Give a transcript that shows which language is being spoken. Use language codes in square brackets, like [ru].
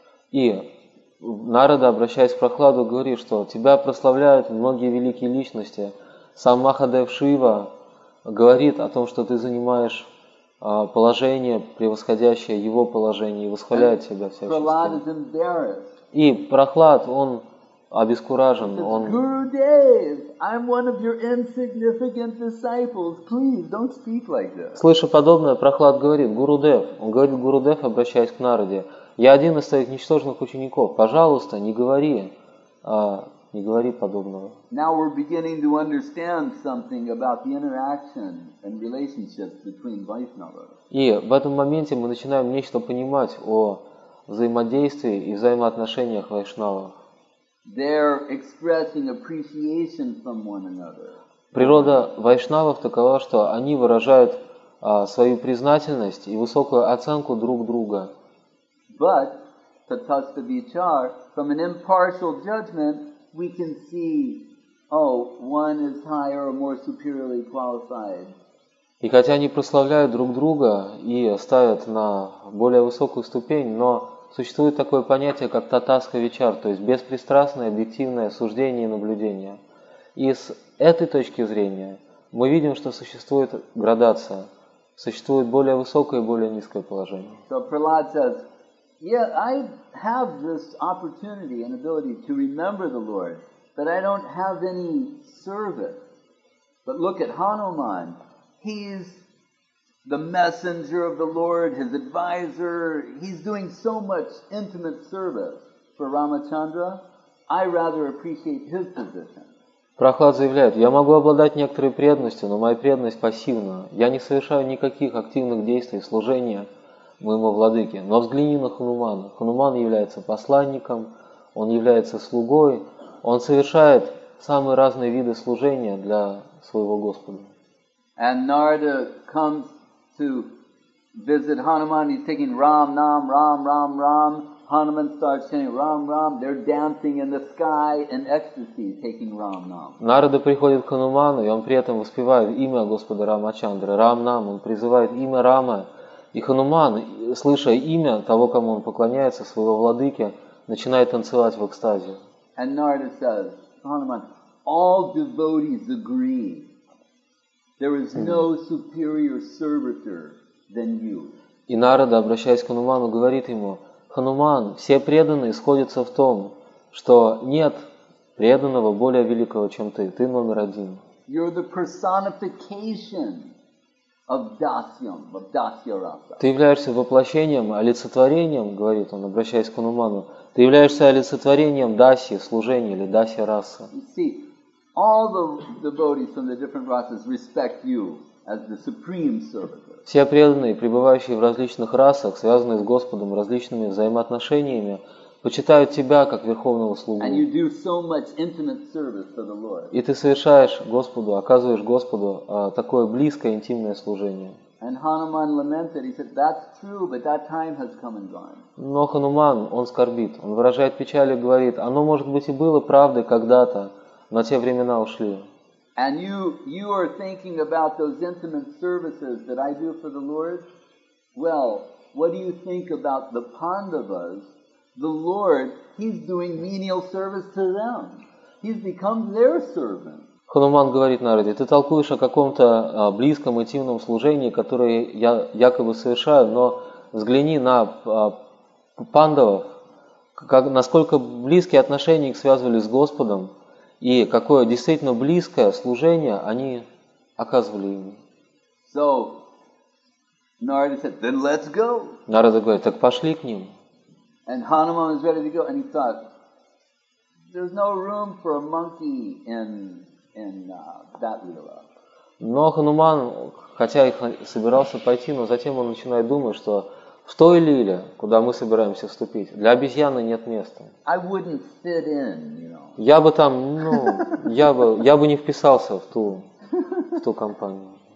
[ru] И Нарада, обращаясь к Прахладу, говорит, что тебя прославляют многие великие личности. Сам Махадев Шива говорит о том, что ты занимаешь положение, превосходящее его положение, и восхваляет тебя всячески. И Прахлад, он обескуражен. Он... [en] Guru Dev, I'm one of your insignificant disciples. Please, don't speak like that. [ru] Слыша подобное, Прахлад говорит, Гуру Дев, он говорит, Гуру Дев, обращаясь к Нараде, я один из твоих ничтожных учеников. Пожалуйста, не говори подобного. [en] Now we're beginning to understand something about the interaction and relationships between Vaishnavas. [ru] И в этом моменте мы начинаем нечто понимать о взаимодействии и взаимоотношениях вайшнавов. [en] They're expressing appreciation from one another. [ru] Природа вайшнавов такова, что они выражают свою признательность и высокую оценку друг друга. [en] But tatastha vichar, from an impartial judgment, we can see, one is higher or more superiorly qualified. [ru] И хотя они прославляют друг друга и ставят на более высокую ступень, но существует такое понятие, как татастха вичар, то есть беспристрастное объективное суждение и наблюдение. И с этой точки зрения мы видим, что существует градация, существует более высокое и более низкое положение. [en] So Prahlad says, Yeah, I have this opportunity and ability to remember the Lord, but I don't have any service. But look at Hanuman. He's the messenger of the Lord, his advisor. He's doing so much intimate service for Ramachandra. I rather appreciate his position. [ru] Прохлад заявляет, я могу обладать некоторой преданностью, но моя преданность пассивна. Я не совершаю никаких активных действий служения моему владыке. Но взгляни на Хануману. Хануман является посланником, он является слугой, он совершает самые разные виды служения для своего Господа. [en] And Narada comes to visit Hanuman. He's taking Ram, Nam, Ram, Ram, Ram. Hanuman starts chanting Ram, Ram. They're dancing in the sky in ecstasy, taking Ram, Nam. [ru] Нарада приходит к Хануману, и он при этом воспевает имя Господа Рамачандры, Рам, Нам. Он призывает имя Рама. И Хануман, слыша имя того, кому он поклоняется, своего владыки, начинает танцевать в экстазе. [en] And Narada says, Hanuman, all devotees agree. There is no superior servitor than you. [ru] И Нарада, обращаясь к Хануману, говорит ему, Хануман, все преданные сходятся в том, что нет преданного более великого, чем ты. Ты номер один. [en] You're the personification of Dasyam, of Dasya Rasa. [ru] Ты являешься воплощением, олицетворением, говорит он, обращаясь к Хануману, ты являешься олицетворением Даси, служения или Дасья Раса. [en] All the devotees from the different rasas respect you as the supreme servitor. [ru] Все преданные, пребывающие в различных расах, связанные с Господом различными взаимоотношениями, почитают тебя как верховного слугу. [en] And you do so much intimate service for the Lord. [ru] И ты совершаешь Господу, оказываешь Господу такое близкое, интимное служение. [en] And Hanuman lamented. He said, "That's true, but that time has come and gone." [ru] Но Хануман, он скорбит, он выражает печаль и говорит: "Оно может быть и было правдой когда-то." Но те времена ушли. [en] And you are thinking about those intimate services that I do for the Lord? Well, what do you think about the Pandavas? The Lord, he's doing menial service to them. He's become their servant. [ru] Хануман говорит Нараде, ты толкуешь о каком-то близком интимном служении, которое я якобы совершаю, но взгляни на Пандавов, насколько близкие отношения их связывали с Господом, и какое действительно близкое служение они оказывали ему. [en] So, Narada said, then let's go. [ru] Нарада говорит, так пошли к ним. [en] And Hanuman was ready to go, and he thought, there's no room for a monkey in that lila. [ru] Но Хануман, хотя и собирался пойти, но затем он начинает думать, что в той лиле, куда мы собираемся вступить, для обезьяны нет места. [en] I wouldn't fit in, you know. [ru] Я бы там, ну, я бы не вписался в ту компанию.